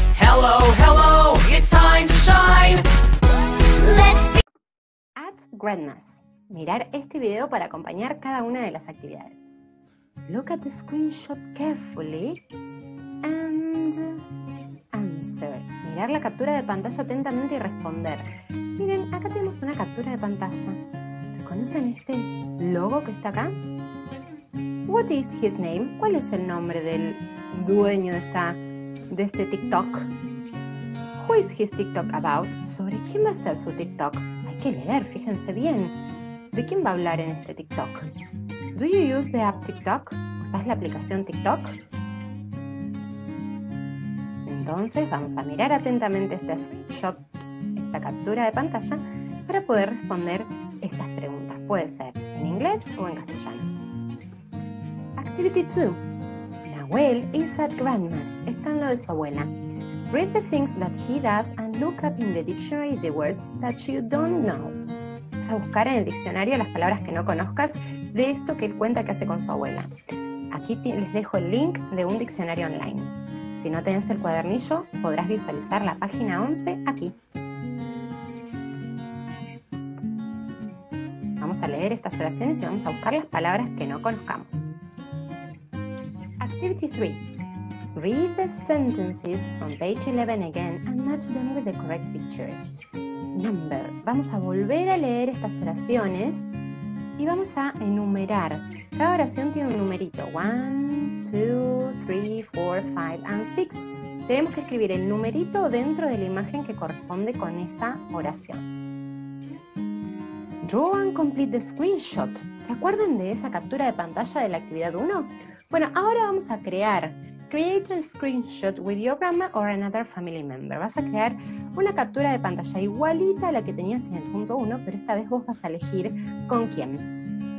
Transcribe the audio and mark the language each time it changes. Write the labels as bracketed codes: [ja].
[en] Hello, hello, it's time to shine. Let's be at grandma's. [es] Mirar este video para acompañar cada una de las actividades. [en] Look at the screenshot carefully and answer. [es] Mirar la captura de pantalla atentamente y responder. Miren, acá tenemos una captura de pantalla. ¿Reconocen este logo que está acá? [en] What is his name? [es] ¿Cuál es el nombre del dueño de este TikTok? [en] Who is his TikTok about? [es] ¿Sobre quién va a ser su TikTok? Hay que leer, fíjense bien. ¿De quién va a hablar en este TikTok? [en] Do you use the app TikTok? [es] ¿Usas la aplicación TikTok? Entonces vamos a mirar atentamente este shot, esta captura de pantalla, para poder responder estas preguntas. Puede ser en inglés o en castellano. [en] Activity 2. Nahuel is at grandma's. [es] Está en lo de su abuela. [en] Read the things that he does and look up in the dictionary the words that you don't know. [es] Vas a buscar en el diccionario las palabras que no conozcas de esto que él cuenta que hace con su abuela. Aquí les dejo el link de un diccionario online. Si no tenés el cuadernillo, podrás visualizar la página 11 aquí. Vamos a leer estas oraciones y vamos a buscar las palabras que no conozcamos. [en] Activity 3. Read the sentences from page 11 again and match them with the correct picture. Number. [es] Vamos a volver a leer estas oraciones y vamos a enumerar. Cada oración tiene un numerito. 1, 2, 3, 4, 5 and 6. Tenemos que escribir el numerito dentro de la imagen que corresponde con esa oración. [en] Draw and complete the screenshot. [es] ¿Se acuerdan de esa captura de pantalla de la actividad 1? Bueno, ahora vamos a crear. [en] Create a screenshot with your grandma or another family member. [es] Vas a crear una captura de pantalla igualita a la que tenías en el punto 1, pero esta vez vos vas a elegir con quién.